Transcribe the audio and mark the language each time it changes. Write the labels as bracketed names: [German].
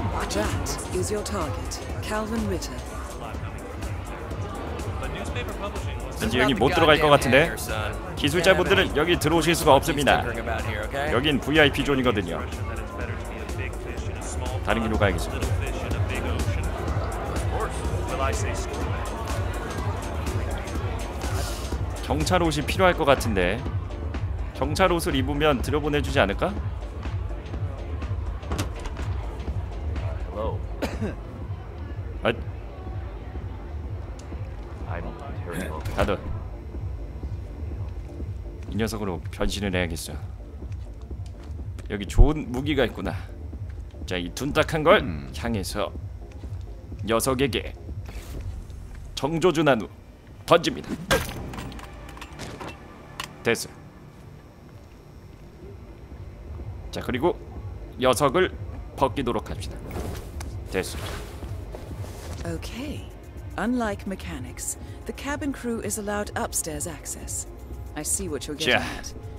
[English] That is your target, Calvin Ritter. [Korean] 왠지 여기 못 들어갈 것 같은데? 기술자분들은 여기 들어오실 수가 없습니다. 여긴 VIP 존이거든요. 다른 길로 가야겠습니다. 경찰 옷이 필요할 것 같은데, 경찰 옷을 입으면 들여보내주지 않을까? [English] I'm terrible. [Korean] 다들 이 녀석으로 변신을 해야겠어. 여기 좋은 무기가 있구나. 자, 이 둔탁한 걸 향해서 녀석에게 정조주 난후 던집니다. 됐어. 자, 그리고 녀석을 벗기도록 합시다. 됐어. [English] Okay. Unlike mechanics, the cabin crew is allowed upstairs access. I see what you're getting at.